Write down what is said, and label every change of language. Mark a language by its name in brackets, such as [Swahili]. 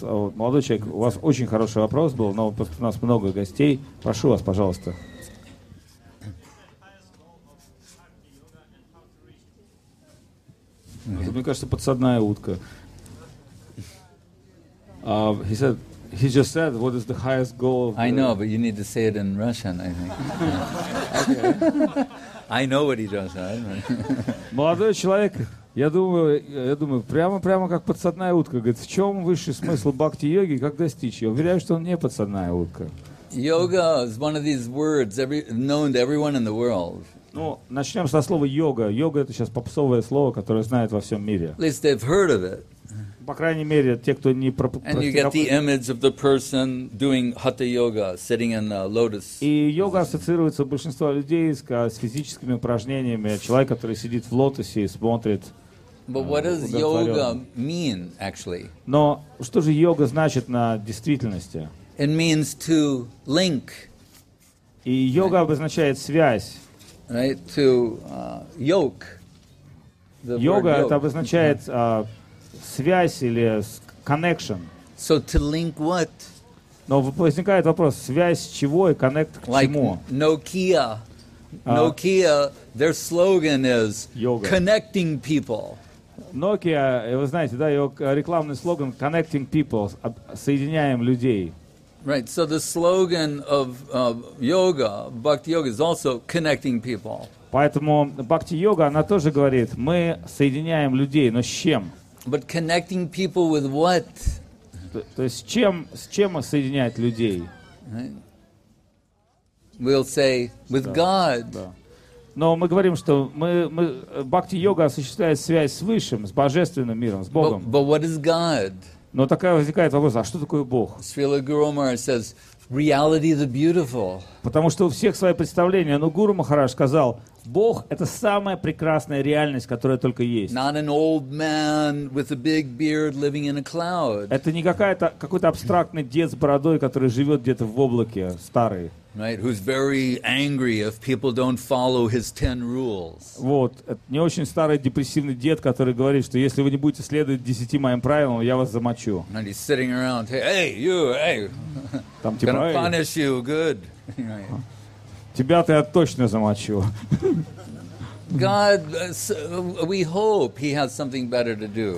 [Russian] Вот, молодой человек, у вас очень хороший вопрос был, но просто у нас много гостей. Прошу вас, пожалуйста. Мне кажется, подсадная утка. [English] He said, he just said, what is the highest goal of the... I know, but you need to say it in Russian, I think. I know what he does. [Russian] Молодой человек, я думаю, прямо как подсадная утка. Говорит, в чем высший смысл бхакти-йоги, как достичь ее? Уверяю, что он не подсадная утка. [English] Yoga is one of these words known to everyone in the world. [Russian] Ну, начнем со слова йога. Йога — это сейчас попсовое слово, которое знают во всем мире. [English] At least they've heard of it. [Russian] По крайней мере, те, кто не практикует. [English] And you get the image of the person doing hatha yoga, sitting in a lotus. [Russian] И йога ассоциируется у большинства людей с физическими упражнениями. Человек, который сидит в лотосе и смотрит. [English] But what does yoga mean, actually? [Russian] Но что же йога значит на действительности? [English] It means to link. [Russian] И йога обозначает связь. [English] Right, to yoke. [Russian] Йога — это обозначает связь или [English] connection. So to link what? [Russian] Но возникает вопрос, связь чего и [English] connect [Russian] к чему? [English] Like Nokia. Nokia, their slogan is yoga. Connecting people. [Russian] Nokia, вы знаете, да, ее рекламный слоган [English] connecting people, [Russian] соединяем людей. [English] Right, so the slogan of yoga, bhakti yoga, is also connecting people. [Russian] Поэтому бхакти йога, она тоже говорит, мы соединяем людей, но с чем? [English] But connecting people with what? [Russian] То есть с чем соединять людей? [English] Right. We'll say with God. [Russian] Да. Но мы говорим, что мы бхакти йога осуществляет связь с высшим, с божественным миром, с Богом. [English] But what is God? [Russian] Но такая возникает вопрос, а что такое Бог? [English] Srila Guru Maharaj says, reality the beautiful. [Russian] Потому что у всех свои представления. Но Гуру Махарадж сказал, Бог — это самая прекрасная реальность, которая только есть. [English] Not an old man with a big beard living in a cloud. [Russian] Это не какой-то абстрактный дед с бородой, который живет где-то в облаке, старый. [English] Right, who's very angry if people don't follow his 10 rules. [Russian] Вот, это не очень старый депрессивный дед, который говорит, что если вы не будете следовать 10 моим правилам, я вас замочу. [English] And he's sitting around, hey, you, hey. [Russian] Там типа, [English] gonna punish you, good. [Russian] Тебя-то я точно замочу. [English] God, so we hope he has something better to do.